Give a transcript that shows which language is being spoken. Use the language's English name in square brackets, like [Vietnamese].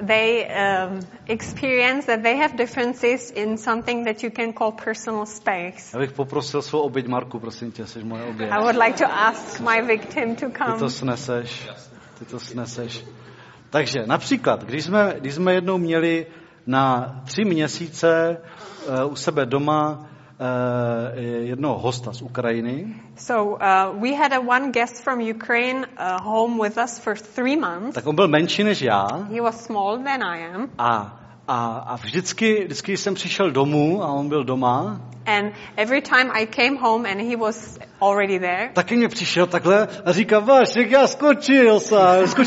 [English] They experience that they have differences in something that you can call personal space. [Czech] Já bych poprosil svou oběť Marku, prosím tě, jsi moje oběť. [English] I would like to ask my victim to come. [Czech] Ty to sneseš. Takže například, když jsme jednou měli na 3 měsíce u sebe doma jednoho hosta z Ukrajiny. [English] So we had a one guest from Ukraine home with us for 3 months. [Czech] Tak on byl menší než já. [English] He was smaller than I am. [Czech] A vždycky jsem přišel domů a on byl doma. [English] And every time I came home and he was already there. [Czech] Taky mě přišel takhle a říkal: "Vašek, já skočil jsem.